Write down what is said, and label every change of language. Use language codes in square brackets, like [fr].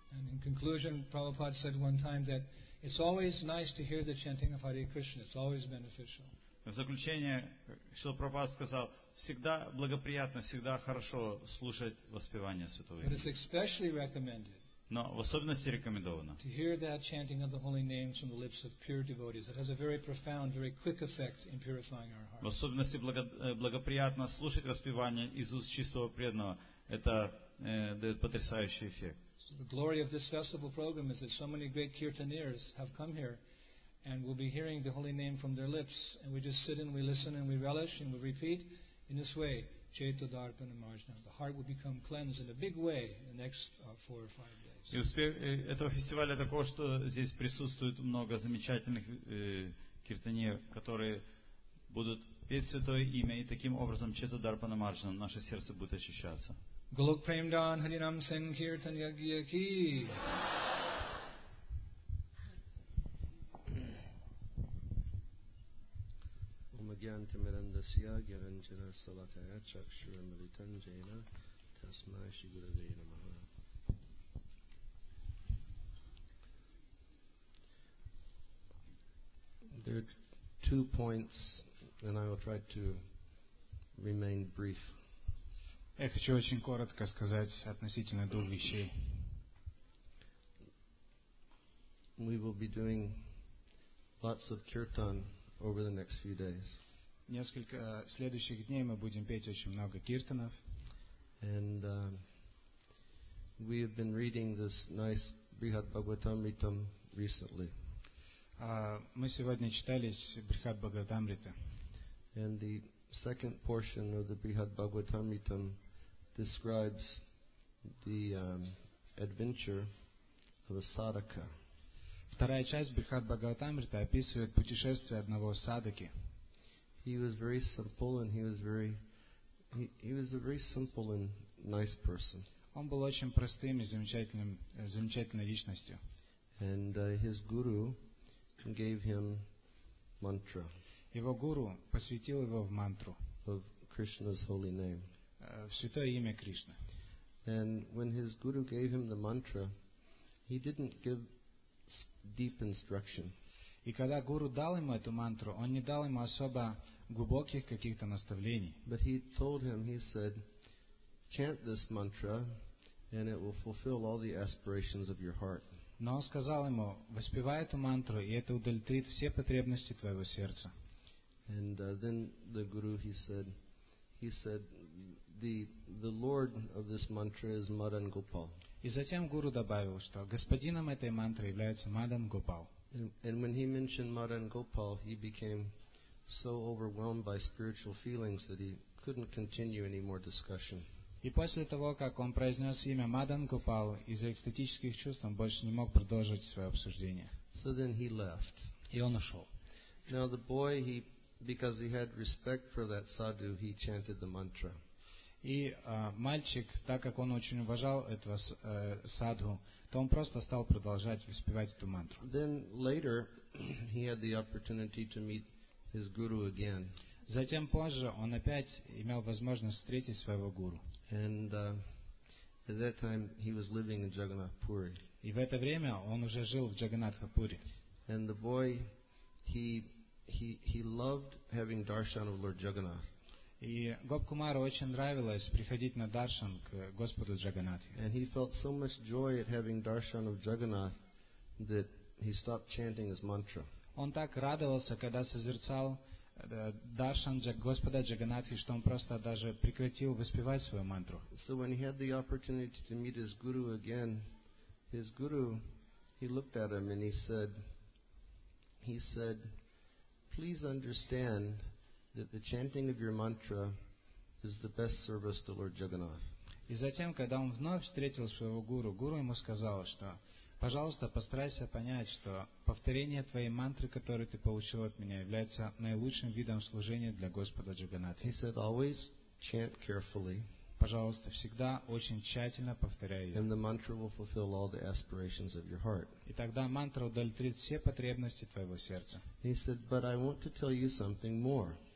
[en] And in conclusion, Prabhupada said one time that it's always nice to hear the chanting of Hare Krishna. It's always beneficial. [ru] В заключение, Шрила Прабхупада сказал, всегда благоприятно, всегда хорошо слушать воспевание Святого Имени. [en] But it's especially recommended. [ru] Но в особенности рекомендовано. [en] To hear that chanting of the holy names from the lips of pure devotees, it has a very profound, very quick effect in purifying our hearts. [ru] В особенности благоприятно слушать распевание из уст чистого преданного. Это дает потрясающий эффект. [en] So the glory of this festival program is that so many great kirtaniers have come here and will be hearing the holy name from their lips, and we just sit and we listen and we relish and we repeat in this way. [sa] Chaito darpana marjanam. [en] The heart will become cleansed in a big way in the next four or five days. [ru] И успех этого фестиваля такой, что здесь присутствует много замечательных киртаниев, которые будут петь Святое Имя, и таким образом [sa] Chaito darpana marjanam, [ru] наше сердце будет очищаться. [sa] Голок премдан харинам сангхиртан ягья ки. Гиантимирандасия гиранчина салатая чакшура милитан джейна тасма шигура джейна маха. [en] There are two points and I will try to remain brief. [ru] Я хочу очень коротко сказать относительно двух вещей. [en] We will be doing lots of kirtan over the next few days. [ru] Несколько следующих дней мы будем петь очень много киртанов. [en] And we have been reading this nice Brihat Bhagavatamritam recently. [ru] Мы сегодня читали Брихат Бхагаватамрита. [en] And the second portion of the Brihat Bhagavatamritam describes the adventure of a sadhaka. [ru] Вторая часть Брихат Бхагаватамрита описывает путешествие одного садаки. [en] He was very simple and he was a very simple and nice person. [ru] Он был очень простым и замечательной личностью. [en] And his guru gave him mantra. [ru] Его гуру посвятил его в мантру. [en] Of Krishna's holy name. [ru] В святое имя Кришны. [en] And when his guru gave him the mantra, he didn't give deep instruction. [ru] И когда Гуру дал ему эту мантру, он не дал ему особо глубоких каких-то наставлений. [en] But he told him, he said, chant this mantra and it will fulfill all the aspirations of your heart. [ru] Но он сказал ему, воспевай эту мантру, и это удовлетворит все потребности твоего сердца. [en] And then the Guru, he said, the Lord of this mantra is Madan Gopal. [ru] И затем Гуру добавил, что господином этой мантры является Мадан Гопал. [en] And when he mentioned Madan Gopal, he became so overwhelmed by spiritual feelings that he couldn't continue any more discussion. [ru] И после того, как он произнес имя Мадан Гопал, из-за экстатических чувств он больше не мог продолжить свое обсуждение. [en] So then he left. [ru] И он ушел. [en] Now the boy, he, because he had respect for that sadhu, he chanted the mantra. [ru] И мальчик, так как он очень уважал этого садху, то он просто стал продолжать воспевать эту мантру. [en] Then later he had the opportunity to meet his guru again. [ru] Затем позже он опять имел возможность встретить своего гуру. [en] And at that time he was living in Jagannath Puri. [ru] И в это время он уже жил в Джаганнатхапури. [en] And the boy, he loved having darshan of Lord Jagannath. [ru] И Гоп Кумару очень нравилось приходить на даршан к Господу Джаганнатхе. [en] And he felt so much joy at having darshan of Jagannath that he stopped chanting his mantra. [ru] Он так радовался, когда созерцал даршан Господа Джаганнатхи, что он просто даже прекратил воспевать свою мантру. [en] So when he had the opportunity to meet his guru again, his guru, he looked at him and he said, please understand that the chanting of your mantra is the best service to Lord Jagannath. [ru] И затем, когда он вновь встретил своего гуру, гуру ему сказал, что, пожалуйста, постарайся понять, что повторение твоей мантры, которую ты получил от меня, является наилучшим видом служения для Господа Джаганнатхи. [en] He said, always chant carefully. [ru] Пожалуйста, всегда очень тщательно повторяй ее. [en] And the mantra will fulfill all the aspirations of your heart. [ru] И тогда мантра удовлетворит все потребности твоего сердца. [en] He said, but I want to tell you something more.